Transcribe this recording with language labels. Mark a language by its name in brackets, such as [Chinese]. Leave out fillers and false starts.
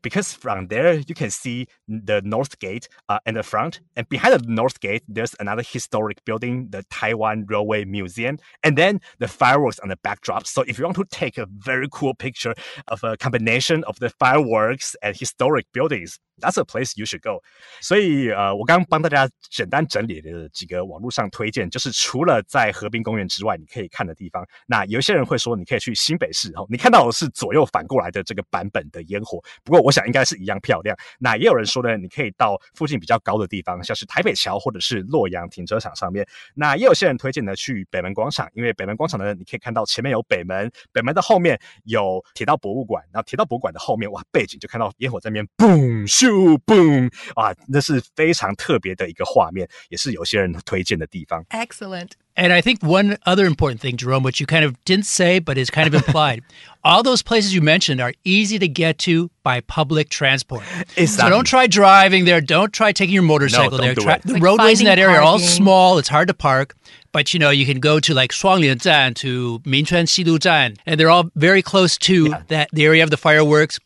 [English] Because from there, you can see the North Gate in the front. And behind the North Gate, there's another historic building, the Taiwan Railway Museum. And then the fireworks on the backdrop. So if you want to take a very cool picture of a combination of the fireworks and historic buildings, that's a place you should go. [Chinese] 所以我刚帮大家简单整理了几个网络上推荐，就是除了在河滨公园之外你可以看的地方，那有些人会说你可以去新北市，你看到的是左右反过来的这个版本的烟火，不过我想应该是一样漂亮。那也有人说呢，你可以到附近比较高的地方，像是台北桥或者是洛阳停车场上面。那也有些人推荐呢去北门广场，因为北门广场呢你可以看到前面有北门，北门的后面有铁道博物馆，然后铁道博物馆的后面，哇，背景就看到烟火在那边 [English] boom boom， [Chinese] 哇，那是非常特别的一个画面，也是有些人推荐的地方。 [English] Excellent. And I think one other important thing, Jerome, which you kind of didn't say, but is kind of implied, all those places you mentioned are easy to get to by public transport. Exactly. So don't try driving there. Don't try taking your motorcycle there. Do it. The roadways in that area are all small. It's hard to park. But, you know, you can go to like Shuanglian Zan, to Mingchuan Xilu Zan, and they're all very close to that, the area of the fireworks.